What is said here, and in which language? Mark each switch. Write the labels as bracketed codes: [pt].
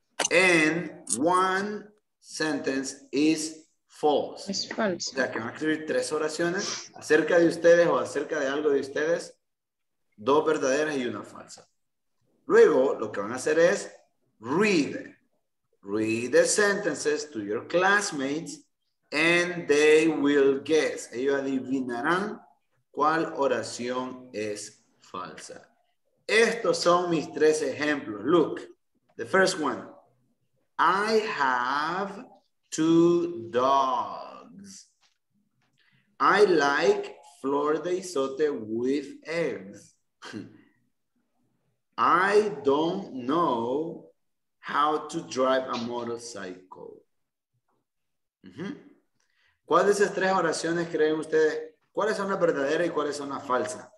[en] And 1 sentence is false. [es] Es falso. O sea, que van a escribir 3 oraciones acerca de ustedes o acerca de algo de ustedes. 2 verdaderas y 1 falsa. Luego, lo que van a hacer es read. [en] Read the sentences to your classmates and they will guess. [es] Ellos adivinarán cuál oración es falsa. Estos son mis 3 ejemplos. [en] Look, the first one. I have 2 dogs. I like flor de isote with eggs. I don't know how to drive a motorcycle. [es] ¿Cuál de esas 3 oraciones creen ustedes? ¿Cuáles son las verdaderas y cuáles son las falsas?